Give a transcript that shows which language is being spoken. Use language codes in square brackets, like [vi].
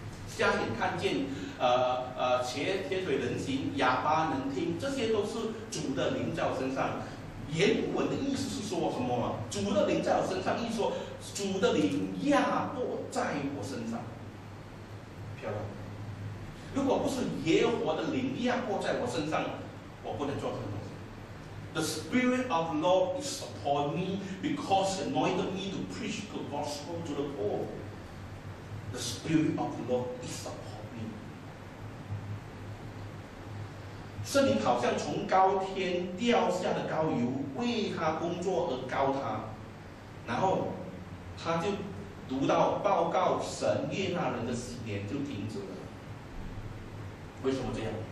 [zh] 瞎眼看见，瘸瘸腿人行，哑巴能听，这些都是主的灵在我身上。原文的意思是说什么？主的灵在我身上，意思说主的灵压迫在我身上，漂亮。如果不是耶和华的灵压迫在我身上，我不能做什么。 [en] The Spirit of the Lord is upon me because he anointed me to preach the gospel to the poor. The Spirit of the Lord is upon me. [zh] 圣灵好像从高天掉下的膏油，为他工作而膏他。然后他就读到报告神悦纳人的喜年，就停止了。为什么这样？